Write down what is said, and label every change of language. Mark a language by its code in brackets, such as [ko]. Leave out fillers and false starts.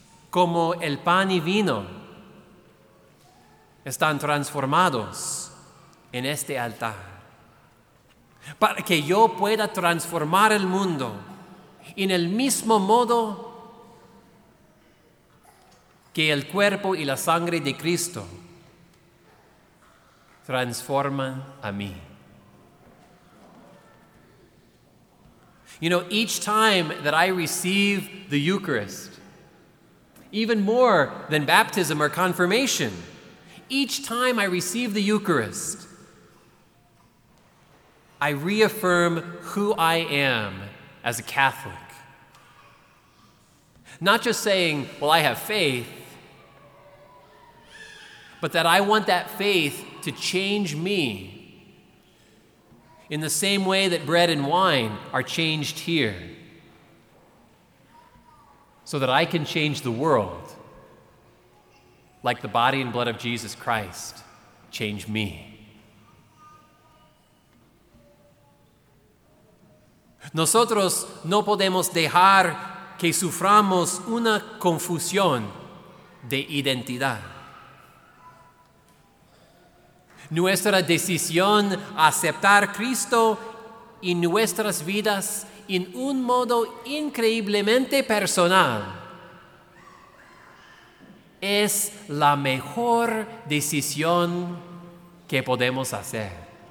[es] como el pan y vino están transformados en este altar, para que yo pueda transformar el mundo en el mismo modo que el cuerpo y la sangre de Cristo transforman a mí. [en] You know, each time that I receive the Eucharist, even more than baptism or confirmation, each time I receive the Eucharist, I reaffirm who I am as a Catholic. Not just saying, well, I have faith, but that I want that faith to change me in the same way that bread and wine are changed here, so that I can change the world like the body and blood of Jesus Christ change me. [es] Nosotros no podemos dejar que suframos una confusión de identidad. Nuestra decisión a aceptar Cristo en nuestras vidas en un modo increíblemente personal es la mejor decisión que podemos hacer.